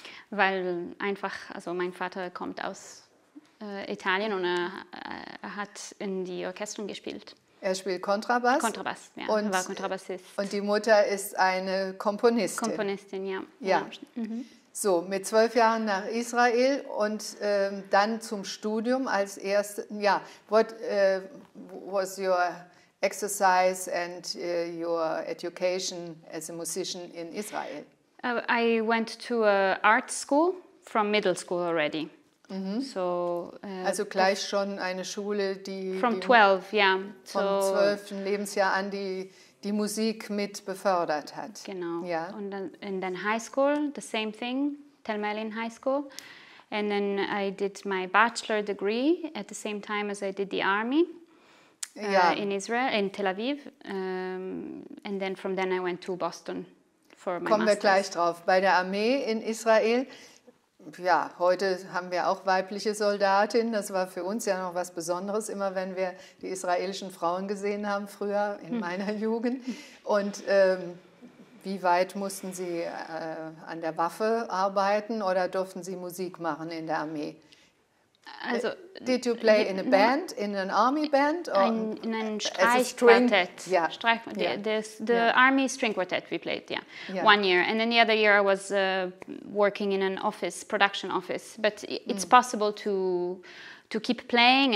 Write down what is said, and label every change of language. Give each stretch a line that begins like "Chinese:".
German: Weil einfach, also mein Vater kommt aus Italien und er hat in die Orchester gespielt. Er spielt Kontrabass? Kontrabass, ja. Und war Kontrabassist. Und die Mutter ist eine Komponistin? Komponistin, ja. Ja. Mhm. So, mit 12 Jahren nach Israel und dann zum Studium als erstes.
English: Ja, what was your exercise and your education as a musician in Israel? I went to a art school from middle school already.
German: Mm-hmm. So, also gleich schon eine Schule, die...
English: From 12, yeah.
German: Vom 12. Lebensjahr an die Musik mit befördert hat. Genau. Ja. Und dann in den High School,
English: the same thing,
German: Telmelin High School.
English: And then I did my bachelor degree at the same time as I did the army in Israel, in Tel Aviv. And then from then I went to Boston for my
German: Kommen
English: master's.
German: Wir gleich drauf. Bei der Armee in Israel, ja, heute haben wir auch weibliche Soldatinnen. Das war für uns ja noch was Besonderes, immer wenn wir die israelischen Frauen gesehen haben, früher in meiner Jugend. Und wie weit mussten Sie an der Waffe arbeiten oder durften Sie Musik machen in der Armee? Also,
English: did you play in a band, in an army band?
German: In ein Streichquartett. Ja.
English: Army string quartet we played, yeah. Yeah. 1 year. And then the other year I was working in an office, production office. But it's possible to keep playing.